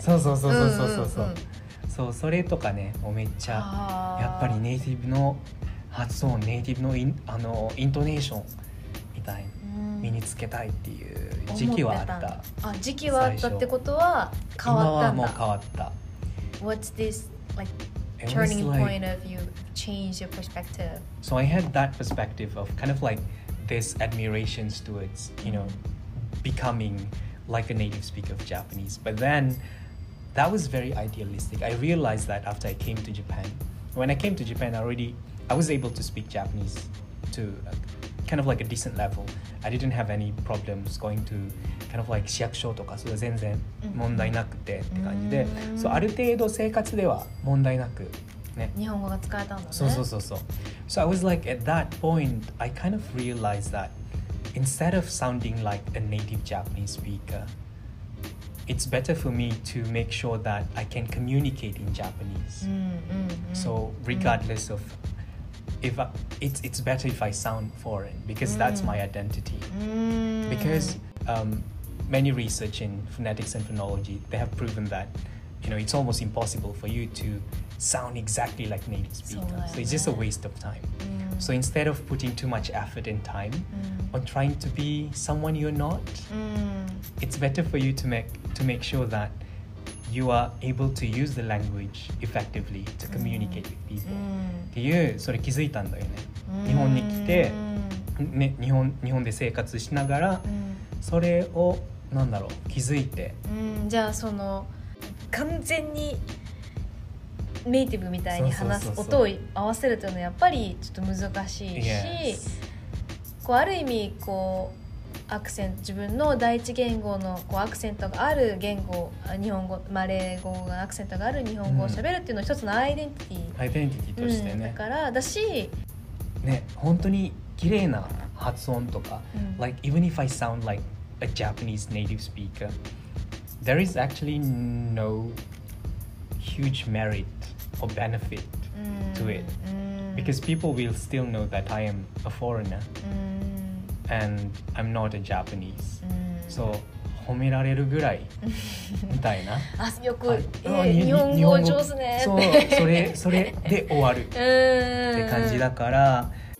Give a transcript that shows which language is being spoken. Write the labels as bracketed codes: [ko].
[ja] そうそうそうそうそうそう、うんうんうん、そう、それとかね、めっちゃやっぱりネイティブの発音、ネイティブの イントネーションみたいに身につけたいっていう時期はあった。あ、時期はあったってことは変わったんだ。今はもう変わった。 [en] What's this like turning point of you change your perspective? So I had that perspective of kind of like this admiration towards, you know, becoming like a native speaker of Japanese, but then. That was very idealistic. I realized that after I came to Japan. When I came to Japan, I was able to speak Japanese to a, kind of like a decent level. I didn't have any problems going to kind of like [ja] 市役所とか、それは全然問題なくてって感じで。 So, ある程度生活では問題なく、ね。日本語が使えたんだね。そうそうそうそう。 [en] So, I was like, at that point, I kind of realized that instead of sounding like a native Japanese speaker,It's better for me to make sure that I can communicate in Japanese. Mm, mm, mm. So regardless of if it's better if I sound foreign because that's my identity. Because many research in phonetics and phonology, they have proven that, you know, it's almost impossible for you to sound exactly like native speaker. So it's just a waste of time. So instead of putting too much effort and time on trying to be someone you're not, it's better for you to make sure that you are able to use the language effectively to communicate with people. [ja] っていう、それ気づいたんだよね。日本に来て、ね、日本で生活しながら、それを、なんだろう、気づいて。じゃあその、完全にネイティブみたいに話す音を合わせるというのはやっぱりちょっと難しいし、こうある意味こうアクセント自分の第一言語のこうアクセントがある言語、日本語、マレー語がアクセントがある日本語を喋るっていうのは一つのアイデンティティとしてね、だからだし、ね、本当に綺麗な発音とか、 [en] like even if I sound like a Japanese native speaker, there is actually no huge merit or benefit to it because people will still know that I am a foreigner. And I'm not a Japanese. [ja] So, 褒められるぐらいみたいな。あ、よく、日本語上手ねって。そう、それで終わるって感じだから。